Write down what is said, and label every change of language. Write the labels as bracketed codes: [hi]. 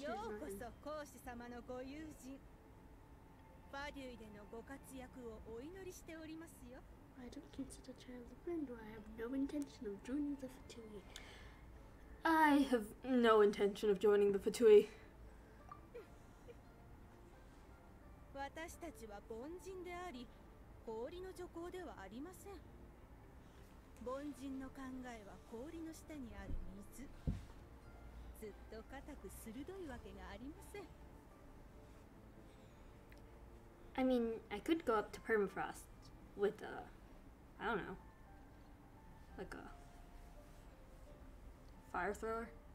[en] your mind. Welcome, [ja] Koshi-sama's ご友人.Baryu でのご活躍をお祈りしておりますよ. [en] I don't consider child a friend, or I have no intention of joining the Fatui. I have no intention of joining the Fatui. [ja] 私たちは凡人であり氷の女工ではありません。凡人の考えは氷の下にある水。ずっと固く鋭いわけがありません。 [en] I mean, I could go up to permafrost with a, I don't know, like a fire thrower.